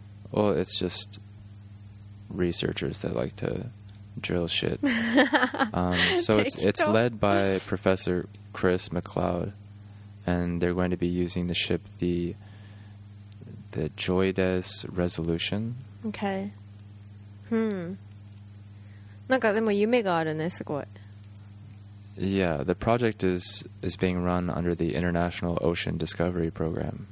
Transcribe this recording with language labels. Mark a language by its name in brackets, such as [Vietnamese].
[English] Well, it's just researchers that like to drill shit. So it's led by Professor Chris McLeod, and they're going to be using the ship the Joydes Resolution. Okay. [Japanese] なんかでも夢があるね、すごい。 [English] Yeah, the project is being run under the International Ocean Discovery Program.